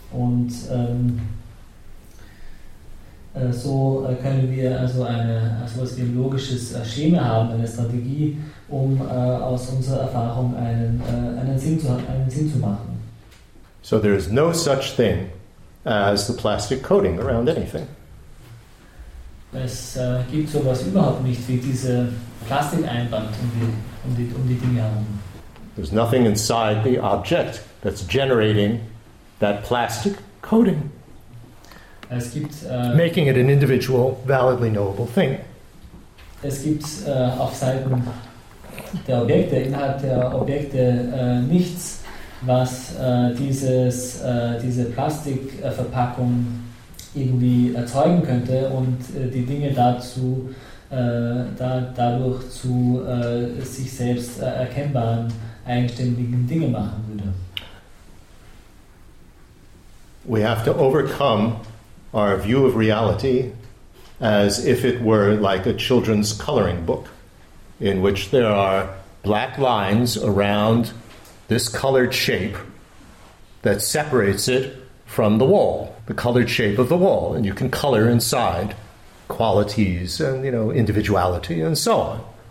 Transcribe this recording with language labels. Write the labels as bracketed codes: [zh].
[de] Und so können wir also etwas wie ein logisches Schema haben, eine Strategie, um aus unserer Erfahrung einen Sinn zu machen. [en] So there is no such thing as the plastic coating around anything. [de] Es gibt sowas überhaupt nicht wie diese Plastikeinband um die Dinge herum. [en] There's nothing inside the object that's generating that plastic coating. [de] Es gibt, [en] making it an individual, validly knowable thing. [de] Es gibt auf Seiten der Objekte, innerhalb der Objekte, nichts, was diese Plastikverpackung irgendwie erzeugen könnte und die Dinge dadurch zu sich selbst erkennbaren, eigenständigen Dinge machen würde. [en] We have to overcome our view of reality as if it were like a children's coloring book in which there are black lines around this colored shape that separates it from the wall, the colored shape of the wall, and you can color inside qualities and, you know, individuality and so on.